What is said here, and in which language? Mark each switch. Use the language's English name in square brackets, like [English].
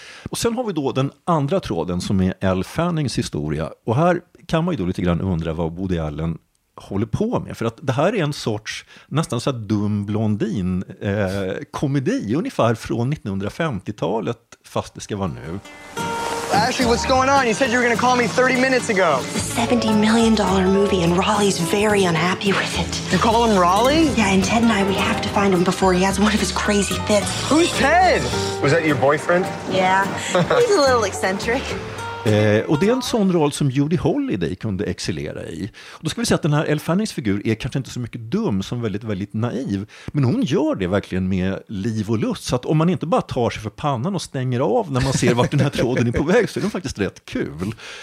[Swedish] Och sen har vi då den andra tråden som är Elle Fannings historia. Och här kan man ju då lite grann undra vad Woody Allen håller på med, för att det här är en sorts nästan så här dum blondin komedi, ungefär från 1950-talet, fast det ska vara nu. [English] Ashley, what's going on? You said you were gonna call me 30 minutes ago. It's a $70 million movie and Raleigh's very unhappy with it. You call him Raleigh? Yeah, and Ted and I, we have to find him before he has one of his crazy fits. Who's Ted? Was that your boyfriend? Yeah, he's a little eccentric. [Swedish] Och det är en sån roll som Judy Holliday kunde excellera i. Och då ska vi säga att den här Elle Fannings figur är kanske inte så mycket dum som väldigt, väldigt naiv. Men hon gör det verkligen med liv och lust. Så att om man inte bara tar sig för pannan och stänger av när man ser vart den här tråden är på väg, så är den faktiskt rätt kul.